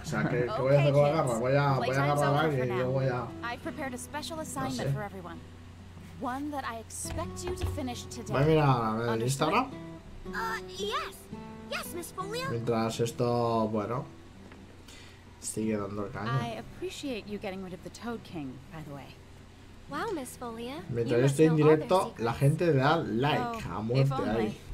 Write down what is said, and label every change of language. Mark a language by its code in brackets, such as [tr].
[es] O sea, ¿qué voy a hacer con la garra? Voy a agarrar a alguien y yo voy a... [en] I've prepared a special assignment for everyone. One that I expect you to finish today. [es] ¿Va a mirar a ver el Instagram? [en] Yes, Miss Folio. [es] Mientras esto, bueno... Sigue dando el caño. [en] I appreciate you getting rid of the Toad King, by the way. Wow, Miss Folia. [es] Mientras yo estoy en directo, la gente le da like a muerte ahí.